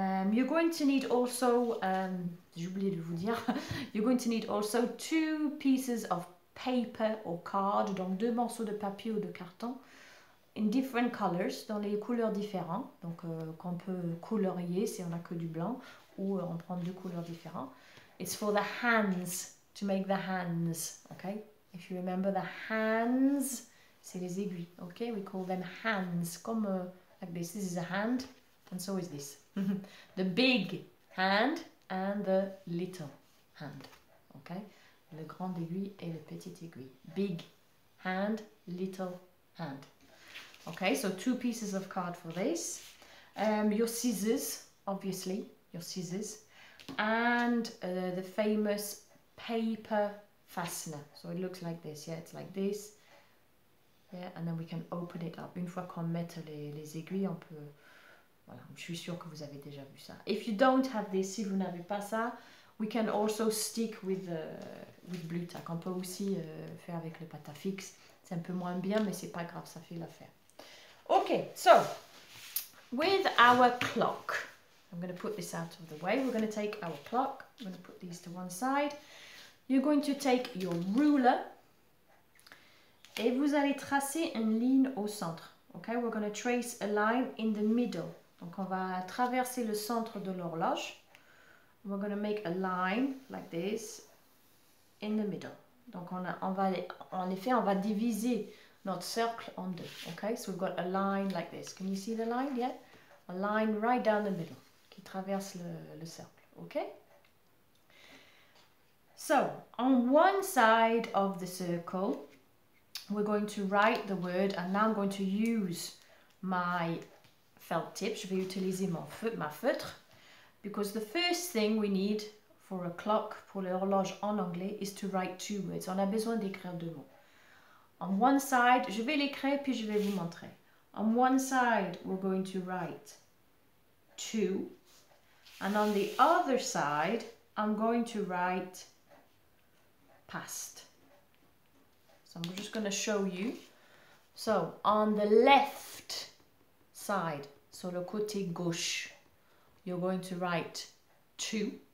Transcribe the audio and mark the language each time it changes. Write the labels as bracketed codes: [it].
[en] You're going to need also, [fr] j'ai oublié de vous dire, [en] you're going to need also two pieces of paper or card, [fr] donc deux morceaux de papier ou de carton, [en] in different colors, [fr] dans les couleurs différentes, donc qu'on peut colorier si on n'a que du blanc, ou on prend deux couleurs différentes. [en] It's for the hands, to make the hands, okay? If you remember the hands, [fr] c'est les aiguilles, [en] okay? We call them hands, comme... like this. This is a hand, and so is this. The big hand and the little hand. Okay? [fr] Le grand aiguille et le petit aiguille. [en] Big hand, little hand. Okay, so two pieces of card for this. Your scissors, obviously. Your scissors. And the famous paper fastener. So it looks like this. Yeah, it's like this. Yeah, and then we can open it up. [fr] Une fois qu'on met les aiguilles, on peut... Voilà, je suis sûre que vous avez déjà vu ça. [en] If you don't have this, [fr] si vous n'avez pas ça, [en] we can also stick with blue tack. [fr] On peut aussi faire avec le patafix. C'est un peu moins bien, mais c'est pas grave, ça fait l'affaire. [en] Okay, so, with our clock, I'm going to put this out of the way. We're going to take our clock. I'm going to put these to one side. You're going to take your ruler. [fr] Et vous allez tracer une ligne au centre. [en] Okay, we're going to trace a line in the middle. [fr] Donc, on va traverser le centre de l'horloge. [en] We're going to make a line like this in the middle. [fr] Donc, on va diviser notre cercle en deux. [en] Okay, so we've got a line like this. Can you see the line? Yeah, a line right down the middle [fr] qui traverse le cercle. [en] Okay. So, on one side of the circle, we're going to write the word, and now I'm going to use my felt tip. [fr] Je vais utiliser ma feutre. [en] Because the first thing we need for a clock, [fr] pour l'horloge en anglais, [en] is to write two words. [fr] On a besoin d'écrire deux mots. [en] On one side, [fr] je vais l'écrire puis je vais vous montrer. [en] On one side, we're going to write two. And on the other side, I'm going to write past. So I'm just going to show you. So on the left side, so [fr] le côté gauche, [en] you're going to write two.